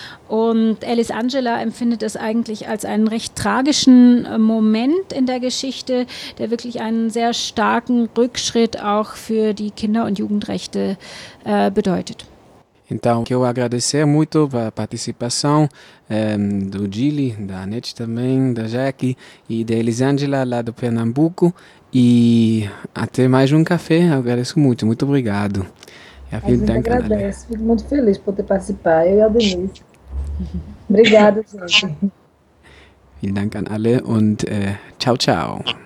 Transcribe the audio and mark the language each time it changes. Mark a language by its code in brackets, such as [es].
[de] Und Alice Angela empfindet es eigentlich als einen recht tragischen Moment in der Geschichte, der wirklich einen sehr starken Rückschritt auch für die Kinder- und Jugendrechte bedeutet. [pt] Então, eu quero agradecer muito a participação do Gili, da Anete também, da Jaque e da Elisângela lá do Pernambuco. E até mais café. Eu agradeço muito. Muito obrigado. Eu agradeço. Fico muito feliz por ter participado. Eu e a Denise. Obrigada, gente. [de] Vielen Dank an alle und [pt] tchau, tchau.